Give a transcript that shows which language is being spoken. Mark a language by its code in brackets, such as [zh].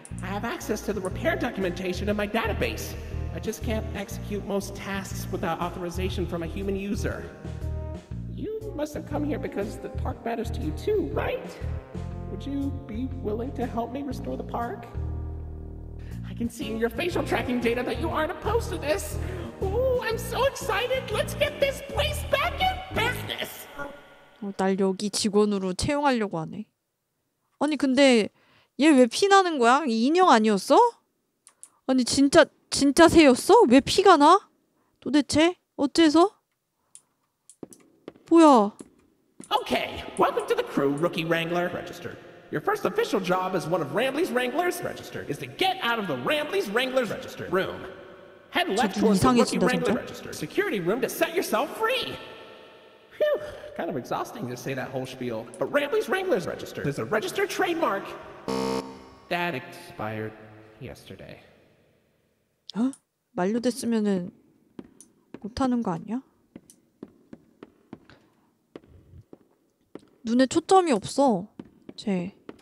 [en] I have access to the repair documentation in my database. I just can't execute most tasks without authorization from a human user. You must have come here because the park matters to you too, right? Would you be willing to help me restore the park? I can see in your facial tracking data that you aren't opposed to this. Ooh, I'm so excited. Let's get this place back in business. [ko] 날 여기 직원으로 채용하려고 하네. 아니 근데 얘 왜 피나는 거야? 인형 아니었어? 아니 진짜 새였어? 왜 피가 나? 도대체 어째서? 뭐야? [en] Okay, welcome to the crew, rookie wrangler. Registered. Your first official job as one of Rambly's wranglers. Registered. Is to get out of the Rambly's wranglers registered room. Head left towards the rookie wrangler registered security room to set yourself free. Phew. Kind of exhausting to say that whole spiel, but Rambly's Wranglers Register is a registered trademark that expired yesterday. [ko] 어? 만료 됐으면은 못 하는 거 아니야? 눈에 초점이 없어. 쟤.